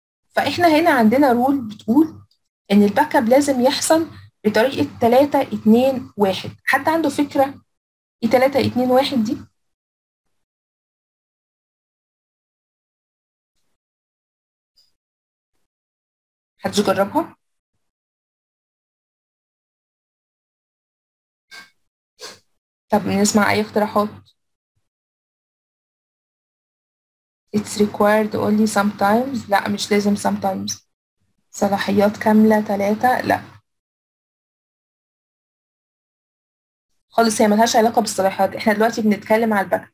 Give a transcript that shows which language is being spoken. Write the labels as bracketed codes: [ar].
[ar] فاحنا هنا عندنا رول بتقول ان الباك اب لازم يحصل بطريقه 3 2 1، حتى عنده فكره ايه 3 2 1 دي؟ حد جربها؟ طب نسمع أي اقتراحات. [en] It's required only sometimes. [ar] لا مش لازم sometimes. صلاحيات كاملة 3؟ لا خلص، هي ملهاش علاقة بالصلاحيات، احنا دلوقتي بنتكلم على الباك اب.